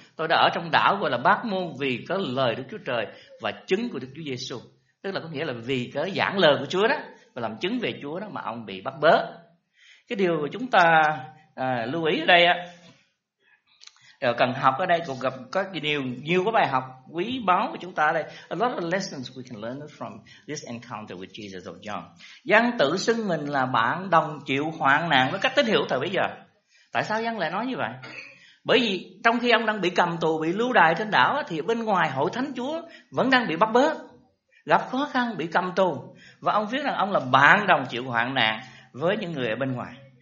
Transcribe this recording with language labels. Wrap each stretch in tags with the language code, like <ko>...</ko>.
<vi>Tôi đã ở trong đảo gọi là Bác Môn vì có lời Đức Chúa Trời và chứng của Đức Chúa Giêsu. Tức là có nghĩa là vì có giảng lời của Chúa đó và làm chứng về Chúa đó mà ông bị bắt bớ. Cái điều chúng ta lưu ý ở đây á, Rồi cần học ở đây cũng gặp có nhiều nhiều cái bài học quý báu của chúng ta đây.</vi> <en>A lot of lessons we can learn from this encounter with Jesus of John.</en> <vi>Giăng tự xưng mình là bạn đồng chịu hoạn nạn với các tín hữu thời bấy giờ. Tại sao Giăng lại nói như vậy? Bởi vì trong khi ông đang bị cầm tù, bị lưu đày trên đảo thì bên ngoài hội thánh Chúa vẫn đang bị bắt bớ, gặp khó khăn, bị cầm tù. Và ông viết rằng ông là bạn đồng chịu hoạn nạn với những người ở bên ngoài.</vi>